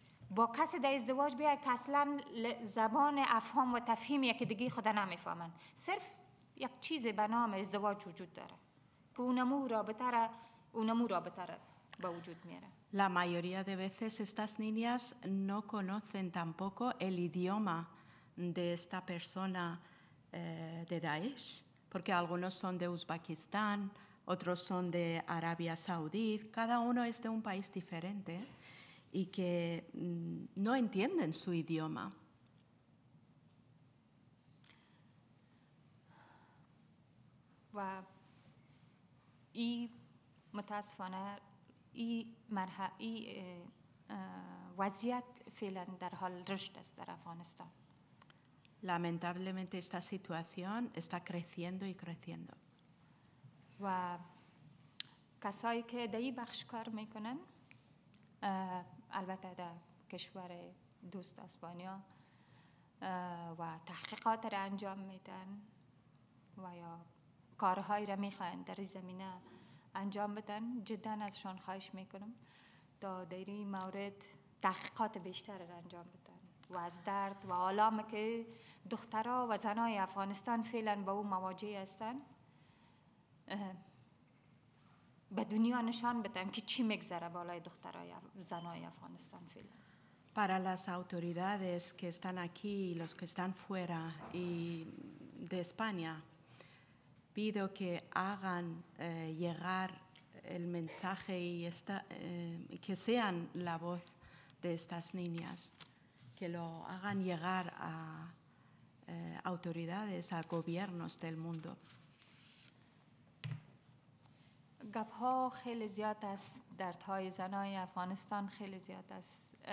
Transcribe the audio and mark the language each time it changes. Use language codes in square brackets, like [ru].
[fa] با کسی در ازدواج بیای که اصلا زبان افهام و تفهیم یک دیگه خدا نمیفهمن، صرف یک چیز به نام ازدواج وجود داره که اونمو رابطه را با وجود میاره. [es] La mayoría de veces estas niñas no conocen tampoco el idioma de esta persona de Daesh, porque algunos son de Uzbekistán, otros son de Arabia Saudí, cada uno es de un país diferente y que no entienden su idioma. [fa] و ای متاسفانه ای مرحله ای وضعیت فعلا در حال رشد است در افغانستان. [es] Lamentablemente esta situación está creciendo y creciendo. [fa] و کسایی که در این بخش کار میکنن البته در کشور دوست اسپانیا و تحقیقات را انجام میدن و یا کارهایی را میخواهند در زمینه انجام بدن، جدا ازشان خواهش میکنم تا در این مورد تحقیقات بیشتر را انجام بدن و از درد و آلام که دخترها و زنای افغانستان فعلا با او مواجه هستند به دنیا نشان بدن که چی میگذره بالای دخترای زنای افغانستان فعلا. [es] Para las autoridades que están aquí y los que están fuera y de España, pido que hagan llegar el mensaje y esta, que sean la voz de estas niñas, que lo hagan llegar a autoridades, a gobiernos del mundo. [fa] گپ ها خیلی زیاد است، درد های زنای افغانستان خیلی زیاد است.